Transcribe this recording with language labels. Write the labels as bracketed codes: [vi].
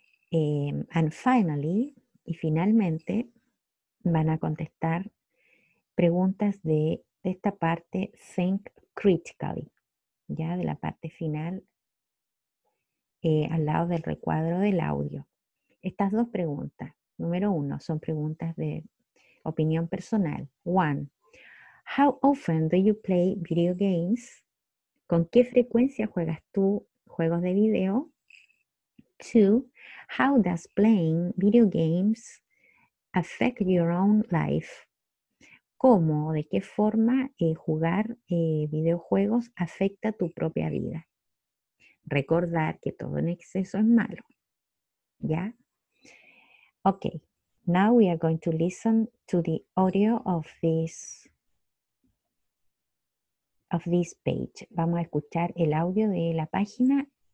[en] And finally, [es] y finalmente, van a contestar preguntas de esta parte Think Critically, ya de la parte final, al lado del recuadro del audio. Estas dos preguntas, número uno, son preguntas de opinión personal. [en] One, how often do you play video games? [es] ¿Con qué frecuencia juegas tú juegos de video? [en] Two, how does playing video games affect your own life? [es] ¿Cómo o de qué forma jugar videojuegos afecta tu propia vida? Recordar que todo en exceso es malo. ¿Ya? [en] Okay, now we are going to listen to the audio of this page. [es] Vamos a escuchar el audio de la página.